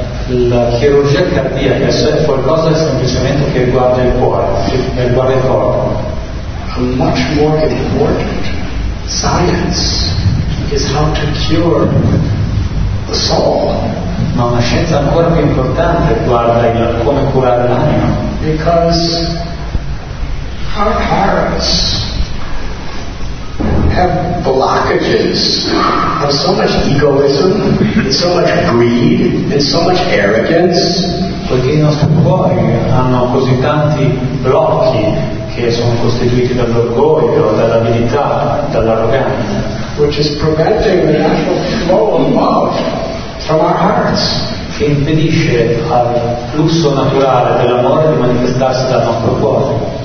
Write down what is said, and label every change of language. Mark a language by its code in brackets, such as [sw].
[it] La chirurgia cardiaca è qualcosa semplicemente che riguarda il cuore, che riguarda il corpo. [en] A much more important science is how to cure the soul. [it] Ma una scienza ancora più importante riguarda il come curare l'anima. [en] Because our hearts have blockages of so much egoism and so much greed and so much arrogance. [it] Perché i nostri cuori hanno così tanti blocchi che sono costituiti dall'orgoglio, dall'abilità, dall'arroganza. [en] Which is preventing the natural flow of love from our hearts. [it] Che impedisce al flusso naturale dell'amore di manifestarsi dal nostro cuore.